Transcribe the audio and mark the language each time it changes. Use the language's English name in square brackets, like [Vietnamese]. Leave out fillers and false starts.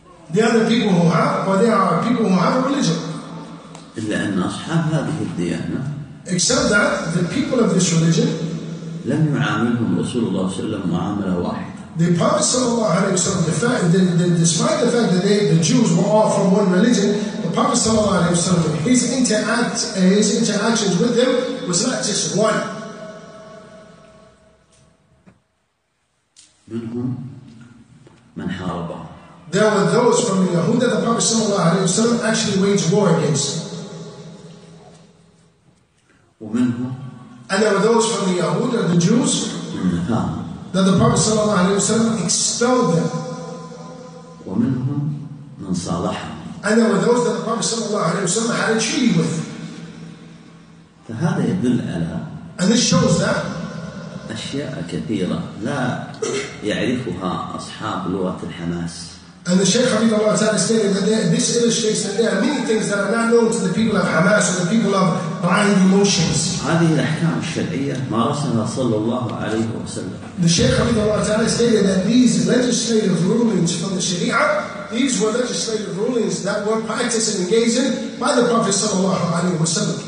[English] they are the people who have, or they are people who have a religion. [Arabic] إلا أن أصحاب هذه الديانة. [English] Except that the people of this religion. [Arabic] لم يعاملهم رسول الله صلى الله عليه وسلم معاملة واحدة. [English] The Prophet [Arabic] صلى الله عليه وسلم, [English] despite the fact that the Jews were all from one religion, the Prophet صلى الله عليه وسلم, his interactions with them was not just one. [Arabic] منكم من حارب. [English] There were those from the Yahud that the Prophet [Arabic] صلى الله عليه وسلم [English] actually waged war against. [Arabic] ومنهم [English] and there were those from the Yahud or the Jews that the Prophet [Arabic] صلى الله عليه وسلم [English] expelled them. [Arabic] ومنهم من صالحهم [English] and there were those that the Prophet [Arabic] صلى الله عليه وسلم [English] had a treaty with. [Arabic] فهذا يدل على [English] and this shows that [Arabic] أشياء كثيرة لا يعرفها أصحاب لغة الحماس. [English] And the Shaykh Hafidhullah ta'ala stated that this illustrates that there are many things that are not known to the people of Hamas or the people of blind emotions. [Arabic] هذه الأحكام الشرعية مارسها صلى الله عليه وسلم. [English] The Shaykh Hafidhullah ta'ala stated that these legislative rulings from the Sharia, these were legislative rulings that were practiced and engaged in by the Prophet [Arabic] صلى الله عليه وسلم.